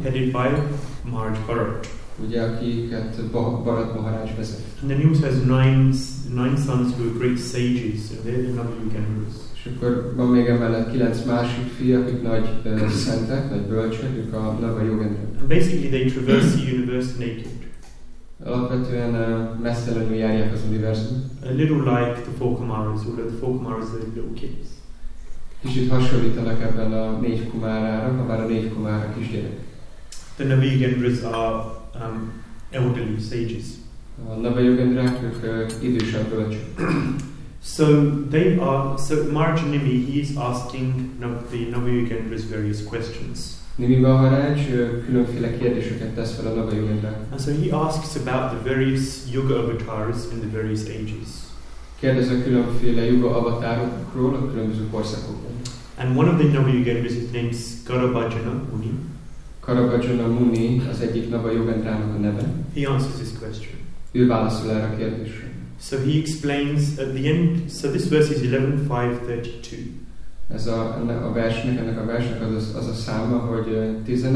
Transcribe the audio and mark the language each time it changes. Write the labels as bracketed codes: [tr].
[en] Headed by Maharaj Bharat. [hu] Ugye, akiket Bharat Maharaj vezet. [en] And then he also has nine sons who are great sages, so they're the Navayogendras. [hu] És akkor van még emellett 9 másik fia, akik nagy szentek, nagy bölcsek, ők a Navayogendrák. [en] Basically they traverse the universe naked. [hu] Alapvetően messzelenül járják az univerzum. [en] A little like the four kumaras, although the four kumaras are little kids. [hu] Kicsit hasonlítanak ebben a négy kumárára, ha bár a négy kumára kisgyerek. [en] The Navayogendras are elderly sages. [hu] A Navayogendrák, ők idősebb bölcsek. [en] So they are. So Marjanimi, he is asking the Navayogendras various questions. [hu] Nimi Maharaj különféle kérdéseket tesz fel a Navayogendrák. [en] And so he asks about the various yuga avatars in the various ages. [hu] Kérdez a különféle yuga avatárokról a különböző korszakokban. [en] And one of the Navayogendras, his name is Karabajana Muni. [hu] Karabajana Muni az egyik Navayogendrának a neve. [en] He answers this question. [hu] Ő válaszol erre a kérdésre. [en] So he explains at the end, so this verse is 11.5.32. [hu] Ez a versnek, ennek a versnek az a száma, hogy 11.5.32.